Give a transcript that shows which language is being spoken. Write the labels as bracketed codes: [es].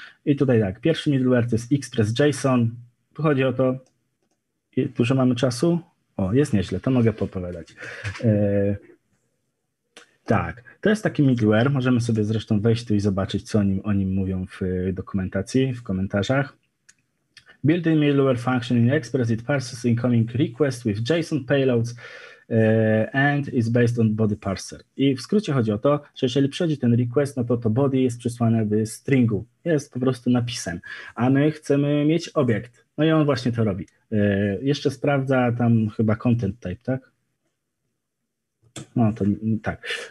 [pl] I tutaj tak, pierwszy middleware to jest Express.json. Tu chodzi o to, dużo mamy czasu? O, jest nieźle, to mogę popowiadać. Tak, to jest taki middleware, możemy sobie zresztą wejść tu i zobaczyć, co o nim mówią w dokumentacji, w komentarzach. [en] Built-in middleware function in Express, it parses incoming requests with JSON payloads and is based on body parser. [pl] I w skrócie chodzi o to, że jeżeli przychodzi ten request, no to body jest przysłane w stringu, jest po prostu napisem, a my chcemy mieć obiekt. No i on właśnie to robi. Jeszcze sprawdza tam chyba content type, tak? No to tak.